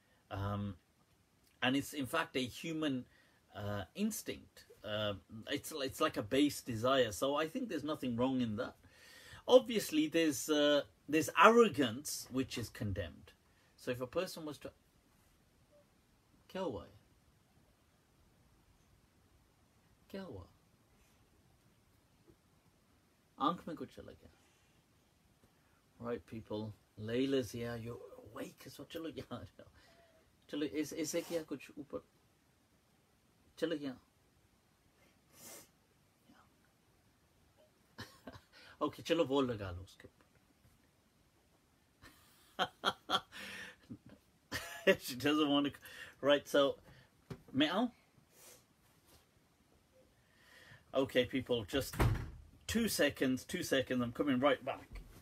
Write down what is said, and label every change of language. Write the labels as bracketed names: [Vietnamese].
[English] And it's in fact a human instinct. It's like a base desire. So I think there's nothing wrong in that. Obviously, there's arrogance which is condemned. So if a person was to... [Hindi] क्या हुआ? आँख में कुछ चला गया. [English] Right, people. Layla's here. You're awake as well. [Hindi] चलो यहाँ. चलो, इससे क्या कुछ ऊपर. चलो यहाँ. Okay, चलो वो लगा लो उसके. [English] She doesn't want to. Right, so meow. Okay, people, just 2 seconds. 2 seconds. I'm coming right back.